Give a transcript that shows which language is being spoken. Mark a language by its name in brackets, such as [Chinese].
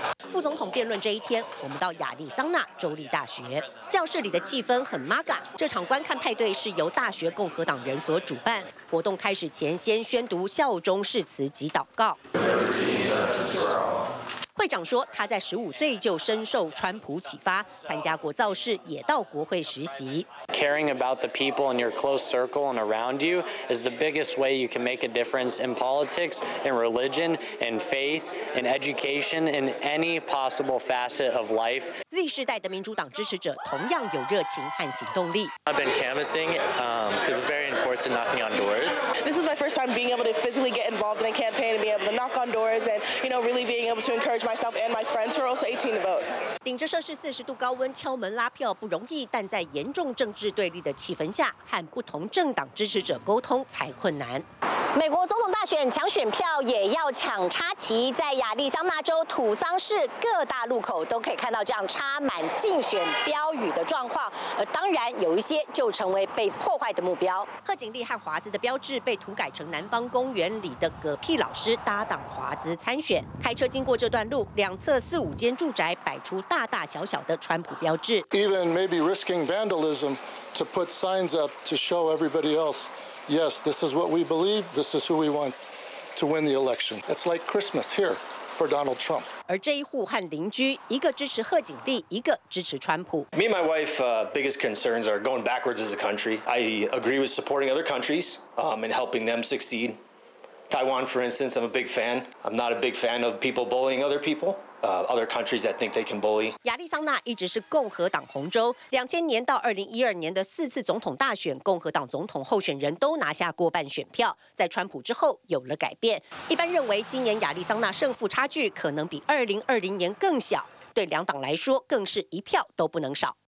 [Chinese] 副总统辩论这一天，我们到亚利桑那州立大学，教室里的气氛很 MAGA。这场观看派对是由大学共和党人所主办，活动开始前先宣读校忠誓词及祷告。会长说，他在15岁就深受川普启发，参加过造势，也到国会实习。 [English] Caring about the people in your close circle and around you is the biggest way you can make a difference in politics, in religion, in faith, in education, in any possible facet of life. [Chinese] Z 世代的民主党支持者同样有热情和行动力。 [English] I've been canvassing, because it's very important knocking on doors. This is my first time being able to physically get involved in a campaign and be able to knock on doors and, you know, really being able to encourage. myself and my friends who are also 18 to vote. [Chinese] 顶着摄氏40度高温敲门拉票不容易，但在严重政治对立的气氛下，和不同政党支持者沟通才困难。美国总统大选抢选票也要抢插旗，在亚利桑那州土桑市各大路口都可以看到这样插满竞选标语的状况，而当然有一些就成为被破坏的目标。贺锦丽和华兹的标志被涂改成南方公园里的嗝屁老师搭档华兹参选，开车经过这段路，两侧4-5间住宅摆出大大小小的川普标志。 [English] Even maybe risking vandalism to put signs up to show everybody else. Yes, this is what we believe. This is who we want to win the election. It's like Christmas here for Donald Trump. [Chinese] 而这一户和邻居，一个支持贺锦丽，一个支持川普。 [English] Me and my wife, biggest concerns are going backwards as a country. I agree with supporting other countries, and helping them succeed. Taiwan, for instance, I'm a big fan. I'm not a big fan of people bullying other people. Other countries that think they can bully. [Chinese] 亚利桑那一直是共和党红州，2000年到2012年的4次总统大选，共和党总统候选人都拿下过半选票，在川普之后有了改变。一般认为，今年亚利桑那胜负差距可能比2020年更小，对两党来说更是一票都不能少。